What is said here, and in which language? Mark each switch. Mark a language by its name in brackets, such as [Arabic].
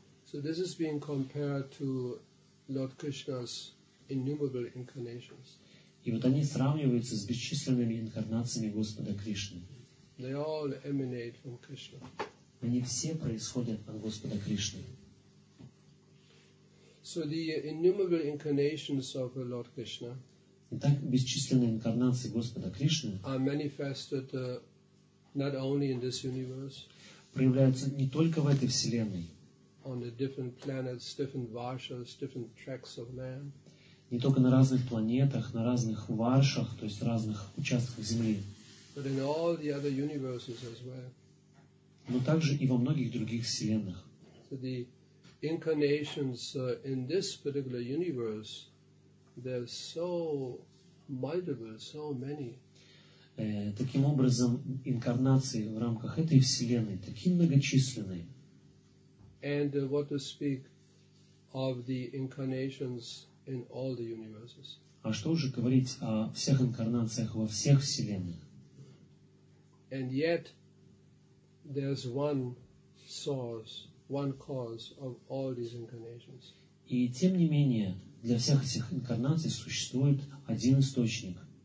[English] So this is being compared to Lord Krishna's innumerable incarnations. [Russian] И вот они сравниваются с бесчисленными инкарнациями Господа Кришны. [English] They all emanate from Krishna. [Russian] Они все происходят от Господа Кришны. [English] So the innumerable incarnations of Lord Krishna. [Russian] Итак, бесчисленные инкарнации Господа Кришны [English] are manifested not only in this universe, [Russian] проявляются не только в этой вселенной, [English] on the different planets, different varshas, different tracks of land, [Russian] не только на разных планетах, на разных варшах, то есть разных участках Земли, [English] but in all the other universes as well, [Russian] но также и во многих других вселенных. [English] So the incarnations in this particular universe, there's so multiple, so many. [Russian] Таким образом, инкарнации в рамках этой вселенной такие многочисленные. [English] And what to speak of the incarnations in all the universes? [Russian] А что уже говорить о всех инкарнациях во всех вселенных? [English] And yet, there's one source, one cause of all these incarnations. [Russian] И тем не менее, для всех этих инкарнаций существует один источник.